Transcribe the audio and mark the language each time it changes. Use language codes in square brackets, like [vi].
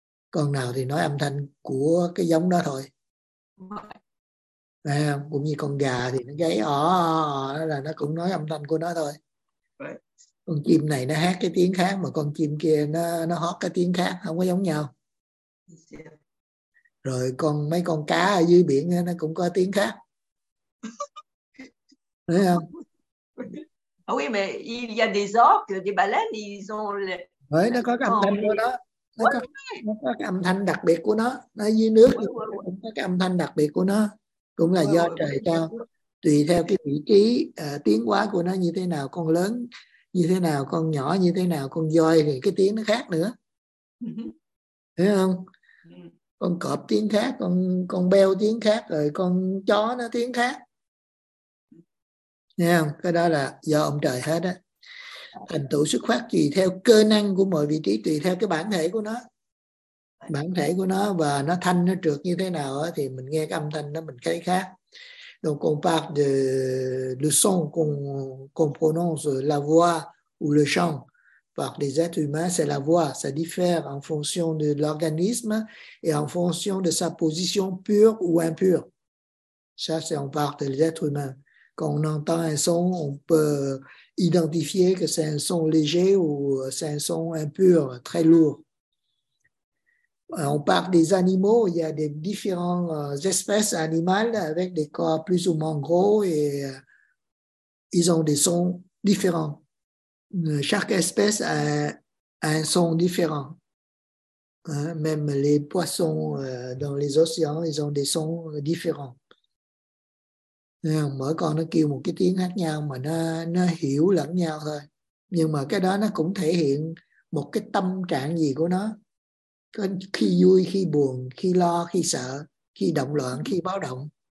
[vi] Con nào thì nói âm thanh của cái giống đó thôi. Right. À, cũng như con gà thì nó gáy ỏ, là nó cũng nói âm thanh của nó thôi. [en] Right. [vi] Con chim này nó hát cái tiếng khác mà con chim kia nó hót cái tiếng khác, không có giống nhau. Rồi con mấy con cá ở dưới biển nó cũng có tiếng khác. Thấy không? [fr] Ah oui, mais il y a des orques, des baleines, ils ont le... [vi] Đấy, nó có cái âm thanh của nó. Nó có cái âm thanh đặc biệt của nó. Nó dưới nước cũng có cái âm thanh đặc biệt của nó. Cũng là do trời cho. Tùy theo cái vị trí tiếng hóa của nó như thế nào, con lớn như thế nào, con nhỏ như thế nào, con voi thì cái tiếng nó khác nữa. Thấy không? Con cọp tiếng khác, con beo tiếng khác, rồi con chó nó tiếng khác. Thấy không? Cái đó là do ông trời hết á. Thành tựu xuất phát tùy theo cơ năng của mọi vị trí, tùy theo cái bản thể của nó. Bản thể của nó và nó thanh, nó trượt như thế nào á, thì mình nghe cái âm thanh đó mình thấy khác. [fr] Donc on parle de le son qu'on prononce, la voix ou le chant par des êtres humains, c'est la voix. Ça diffère en fonction de l'organisme et en fonction de sa position pure ou impure. Ça, c'est on parle des êtres humains. Quand on entend un son, on peut identifier que c'est un son léger ou c'est un son impur, très lourd. On parle des animaux, il y a des différentes espèces animales avec des corps plus ou moins gros et ils ont des sons différents. Chaque espèce a un son différent. Hein, même les poissons dans les océans, ils ont des sons différents. [vi] Mỗi con nó kêu một cái tiếng khác nhau mà nó hiểu lẫn nhau thôi. Nhưng mà cái đó nó cũng thể hiện một cái tâm trạng gì của nó. Khi vui, khi buồn, khi lo, khi sợ, khi động loạn, khi báo động.